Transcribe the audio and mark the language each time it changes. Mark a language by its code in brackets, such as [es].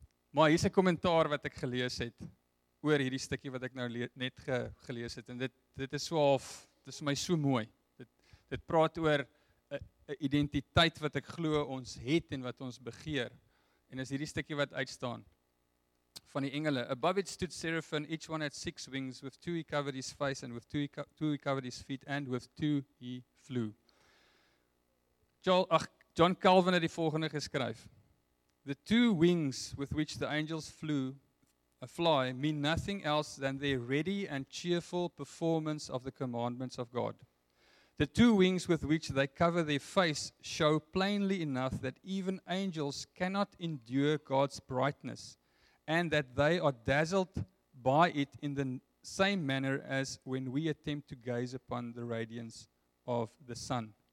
[af] Maar hier's 'n kommentaar wat ek gelees het oor hierdie stukkie wat ek nou net gelees het en dit is so half, dit is vir my so mooi. Dit praat oor 'n identiteit wat ek glo ons het en wat ons begeer. En is hierdie stukkie wat uitstaan. van die engele. [en] Above it stood seraphim, each one had six wings. With two he covered his face, and with two he covered his feet, and with two he flew. [af] John Calvin het die volgende geskryf. [en] The two wings with which the angels fly mean nothing else than their ready and cheerful performance of the commandments of God. The two wings with which they cover their face show plainly enough that even angels cannot endure God's brightness, and that they are dazzled by it in the same manner as when we attempt to gaze upon the radiance of the sun.